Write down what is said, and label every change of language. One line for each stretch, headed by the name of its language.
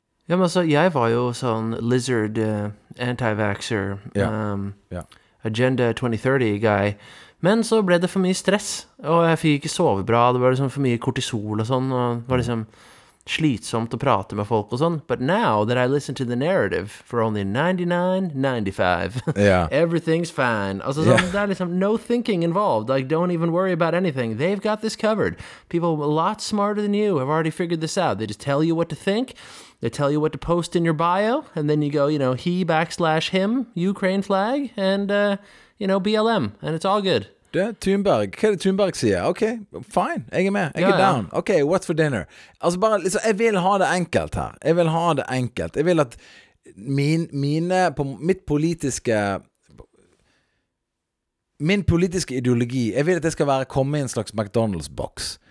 Norwegian: Ja, men altså, jeg var jo sånn
English: lizard anti-vaxxer, Agenda 2030 guy.
Norwegian: Men så ble det for mye stress, og jeg fikk ikke sove bra, det var liksom for mye kortisol og sånn, og det var liksom slitsomt å prate med folk og sånn.
English: But now that I listen to the narrative for only 99.95, everything's fine.
Norwegian: Altså sånn, det er liksom
English: no thinking involved, like don't even worry about anything, they've got this covered. People a lot smarter than you have already figured this out, they just tell you what to think. They tell you what to post in your bio, and then you go, you know, he/him, Ukraine flag, and, you know, BLM, and it's all good.
Norwegian: Det, Thunberg. Hva er det Thunberg sier? Ok, fine. Jeg er med. Jeg er down.
English: Ok, what's for dinner?
Norwegian: Altså bare, liksom, jeg vil ha det enkelt her. Jeg vil ha det enkelt. Jeg vil at min politiske ideologi, jeg vil at det skal være komme i en slags McDonald's-boks.